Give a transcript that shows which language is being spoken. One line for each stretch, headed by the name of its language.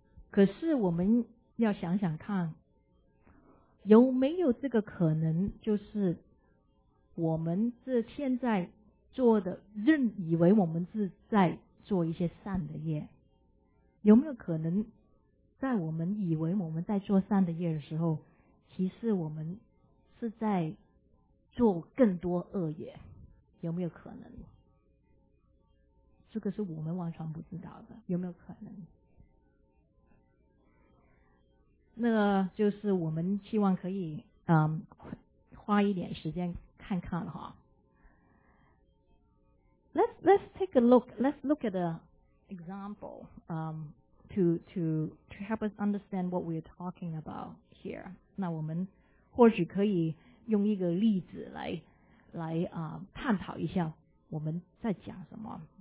Chinese: 可是我们要想想看，有没有这个可能，就是我们这现在做的，认以为我们是在做一些善的业，有没有可能在我们以为我们在做善的业的时候，其实我们是在做更多恶业，有没有可能？这个是我们完全不知道的，有没有可能？那就是我们希望可以花一点时间看看哈。
English: Let's take a look. Let's look at an example to help us understand what we're talking about here.
Chinese: 那我们或许可以用一个例子来探讨一下我们在讲什么。